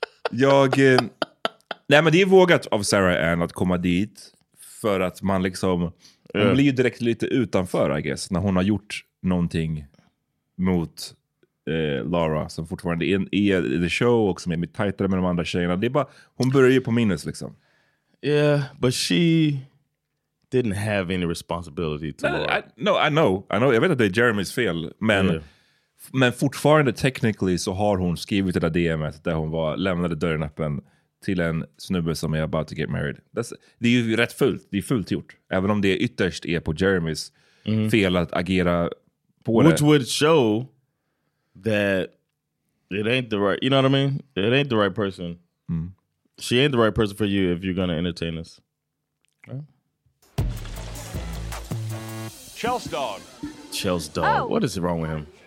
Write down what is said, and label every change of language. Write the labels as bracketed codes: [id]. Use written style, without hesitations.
[sv] Jag, nej, men det är vågat av Sarah Ann att komma dit. För att man liksom, hon blir ju direkt lite utanför, [en] I guess, [sv] när hon har gjort någonting mot Lara, som fortfarande är i [en] the show [sv] och som är mitt tajtare med de andra tjejerna. Det är bara, hon börjar ju på minus liksom. [en] Yeah, but she didn't have any responsibility to Lara. I know. [sv] Jag vet att det är Jeremy's fel, men men fortfarande technically så har hon skrivit det där DM:et där hon var, lämnade dörren öppen till en snubbe som är [en] about to get married. That's, [sv] det är ju rätt fult. Det är fult gjort. Även om det ytterst är på Jeremys fel att agera på [en] Which [sv] det. [en] Which would show that it ain't the right, you know what I mean? It ain't the right person. Mm. She ain't the right person for you if you're gonna entertain us. Right. Chels dog. Chels dog. Oh. What is wrong with him?